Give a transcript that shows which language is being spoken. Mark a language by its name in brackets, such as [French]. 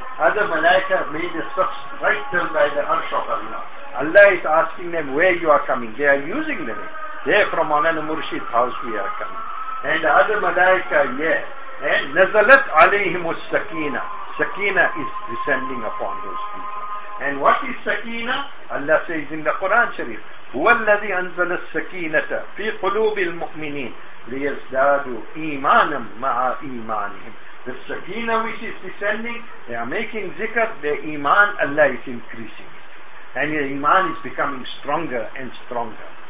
[English] Other malaika made a such right turn by the arsh of Allah. Allah is asking them, where you are coming? They are using the name. They are from Maulana Murshid's house we are coming. And the other malaika are here. And [Arabic] nazalat alayhimu sakina. [English] Sakina is descending upon those people. And what is sakina? Allah says in the Quran Sharif, [Arabic] هو الذي أنزل السكينة في قلوب المؤمنين ليزدادوا إيمانا مع إيمانهم. [English] The sakina which is descending, they are making zikr, their iman, Allah is increasing. And your iman is becoming stronger and stronger.